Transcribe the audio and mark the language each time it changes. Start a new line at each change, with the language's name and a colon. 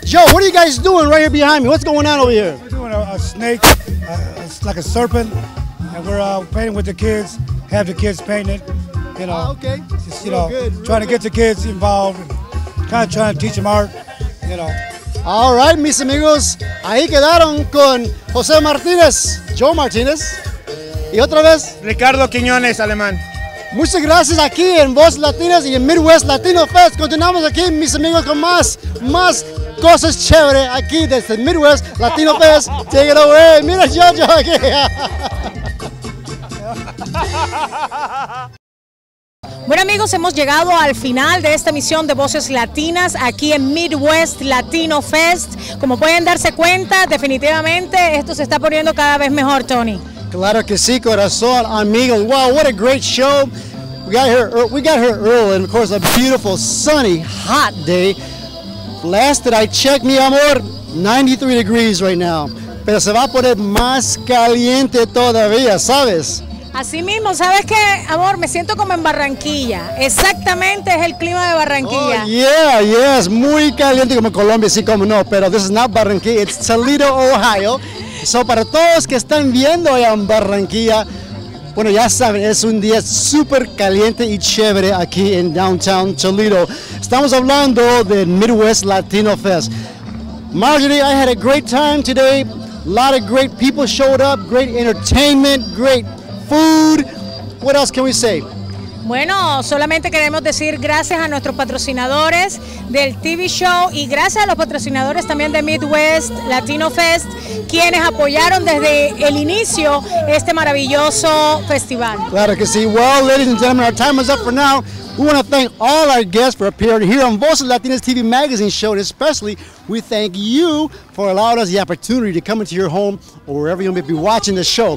English: Joe, what are you guys doing right here behind me? What's going on over here? We're doing a snake, like a serpent. And we're painting with the kids. Have the kids paint it. You know, okay. Just, you real know, good, trying good. To get the kids involved, kind of trying to teach them art, you know.
Spanish: All right, mis amigos, ahí quedaron con José Martínez, Joe Martínez, y otra vez, Ricardo Quiñones, alemán. Muchas gracias aquí en Voz Latinas y en Midwest Latino Fest. Continuamos aquí, mis amigos, con más cosas chéveres aquí desde Midwest Latino Fest.
English: Take it away,
Spanish: mira Jojo aquí. Bueno amigos, hemos llegado al final de esta emisión de Voces Latinas aquí en Midwest Latino Fest. Como pueden darse cuenta, definitivamente esto se está poniendo cada vez mejor, Tony. Claro que sí, corazón, amigos.
English: Wow, what a great show. We got here early, and of course a beautiful, sunny, hot day. Last that I checked,
Spanish: mi amor,
English: 93 degrees right now.
Spanish: Pero se va a poner más caliente todavía, ¿sabes? Así mismo, ¿sabes qué, amor? Me siento como en Barranquilla. Exactamente es el clima de Barranquilla. Oh, yeah, yes. Muy caliente como Colombia, sí, como no.
English: Pero this is not Barranquilla, it's Toledo, Ohio.
Spanish: So, para todos que están viendo allá en Barranquilla, bueno, ya saben, es un día súper caliente y chévere aquí en Downtown Toledo. Estamos hablando de
English: Midwest Latino Fest. Marjorie, I had a great time today. A lot of great people showed up, great entertainment, great food. What else can we say?
Spanish: Bueno, solamente queremos decir gracias a nuestros patrocinadores del TV show y gracias a los patrocinadores también de Midwest Latino Fest, quienes apoyaron desde el inicio este maravilloso festival. Claro que sí.
English: Well, ladies and gentlemen, our time is up for now. We want to thank all our guests for appearing here on Voces Latinas TV Magazine show, and especially we thank you for allowing us the opportunity to come into your home or wherever you may be watching the show.